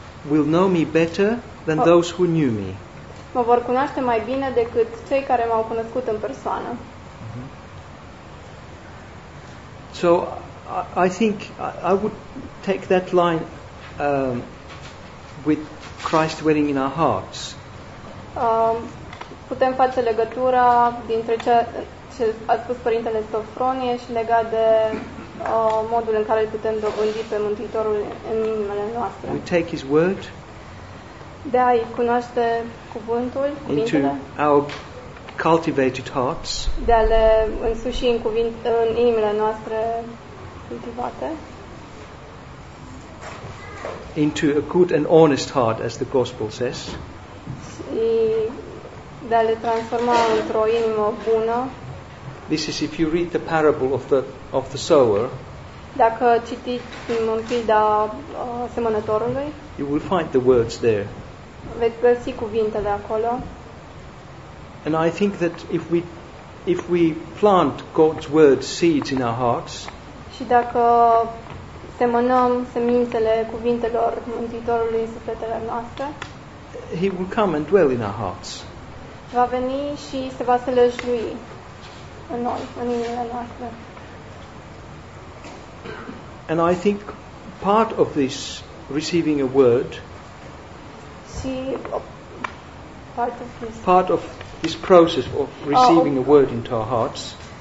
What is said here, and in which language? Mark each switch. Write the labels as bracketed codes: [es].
[en] will know me better than those who knew me. [ro] Mă vor cunoaște mai bine decât cei care m-au cunoscut în persoană. Mm-hmm. [en] So I think I would take that line with Christ dwelling in our hearts. [ro] Putem face legătura dintre ce a spus părintele Sofronie și legat de modul în care îl putem dobândi pe Mântuitorul în inimile noastre. [en] We take his word, [ro] de a-i cunoaște cuvântul, [en] into our cultivated hearts, [ro] de a le însuși în inimile noastre cultivate, [en] into a good and honest heart, as the gospel says, [ro] și de a le transforma într-o inimă bună. [en] This is if you read the parable of the sower. [ro] Dacă citiți un pildă semănătorului, [en] you will find the words there. [ro] Veți găsi cuvintele acolo. [en] And I think that if we plant God's word seeds in our hearts, [ro] și dacă semănăm semințele cuvintelor Mântuitorului în sufletele noastre, [en] he will come and dwell in our hearts. [ro] Va veni și se va sălășlui în noi, în inimile noastre. [en] And I think part of this receiving a word, part of this process of receiving a word into our hearts,